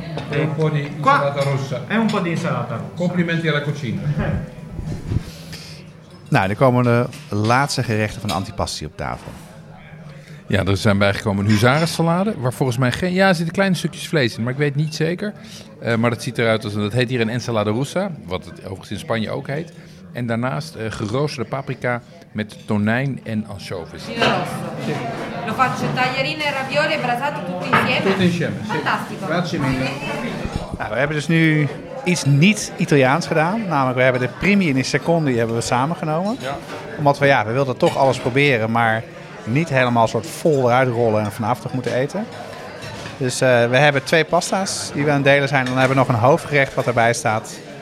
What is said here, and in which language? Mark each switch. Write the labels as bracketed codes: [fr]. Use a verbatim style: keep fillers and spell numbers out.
[it] E un po' di insalata rossa. En un po' di insalata rossa. Complimenti alla cucina. [nl] Nou, dan komen de laatste gerechten van antipasti op tafel. Ja, er zijn bijgekomen een huzarensalade, waar volgens mij geen... Ja, er zitten kleine stukjes vlees in, maar ik weet niet zeker. Uh, maar dat ziet eruit als... Dat heet hier een ensalada russa, wat het overigens in Spanje ook heet. En daarnaast uh, geroosterde paprika met tonijn en ansjovis. [it] Lo faccio tagliarine e ravioli brasato tutti insieme. Tutti insieme. Fantastico. Grazie mille. [nl] Nou, we hebben dus nu iets niet-Italiaans gedaan. Namelijk, we hebben de primi en de secondi hebben we samengenomen. Ja. Omdat we, ja, we wilden toch alles proberen, maar niet helemaal soort vol eruit rollen en vanavond toch moeten eten. Dus uh, we hebben twee pasta's die we aan het delen zijn. En dan hebben we nog een hoofdgerecht wat erbij staat.